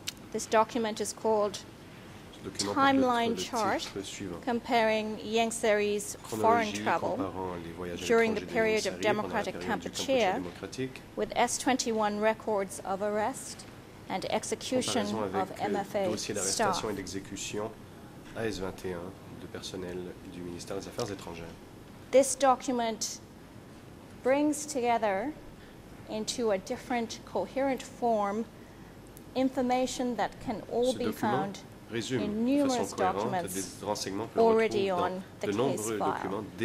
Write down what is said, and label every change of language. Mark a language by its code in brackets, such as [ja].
[en] This document is called Timeline Chart Comparing Yang Seri's Foreign Travel During the Period of Democratic Kampuchea with S21 Records of Arrest and execution of MFA staff. [fr] Et d'exécution AS21 de personnel du ministère des Affaires étrangères. [en] This document brings together into a different coherent form information that can all be found in numerous documents already on the case file.